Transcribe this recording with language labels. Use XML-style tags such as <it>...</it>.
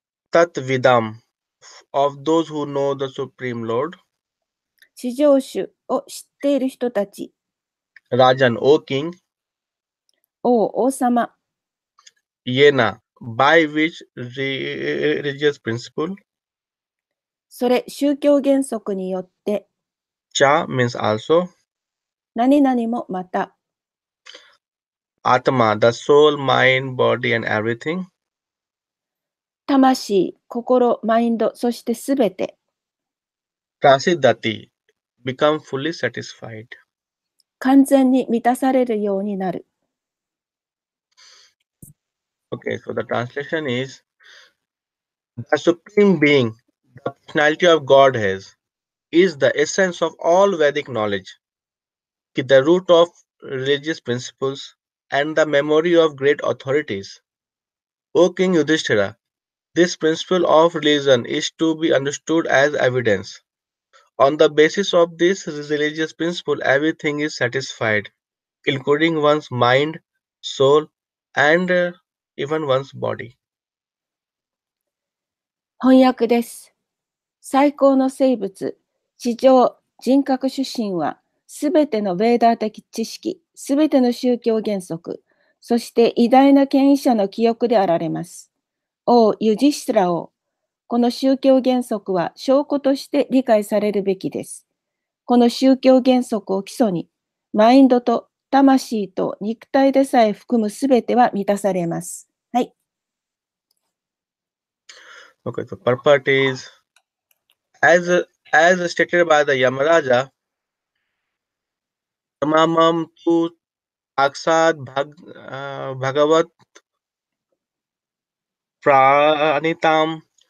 <en>Tat Vidam, of those who know the supreme lord.</en> <ja>地上種を知っている人たち。ラジャン、王キング。王、王様。</ja> <en>イエナ、by which religious principle?</en> <ja>それ、宗教原則によって。</ja> <en>チャ means also。</en> <ja>何々もまた。</ja> <en>アタマ、the soul, mind, body and everything。</en> <ja>魂、心、マインド、そしてすべて。</ja> <en>プラシダティ。Become fully satisfied.</en> <ja>完全に満たされるようになる。</ja> <en>Okay, so the translation is the supreme being, the personality of Godhead, is the essence of all Vedic knowledge, the root of religious principles, and the memory of great authorities. O King Yudhishthira, this principle of religion is to be understood as evidence. On the basis of this religious principle, everything is satisfied, including one's mind, soul, and even one's body.</en> <ja>翻訳です。最高の生物、地上、人格主神は、すべてのヴェーダ的知識、すべての宗教原則、そして偉大な権威者の記憶であられます。王、ユジシュラ王。この宗教原則は証拠として理解されるべきです。この宗教原則を基礎に、マインドと魂と肉体でさえ含むすべては満たされます。はい。</ja> <en>Okay, the purpose is, as stated by the Yamaraja,</en> <sa>Tamamam tu aksad bhagavat pranitam.</sa>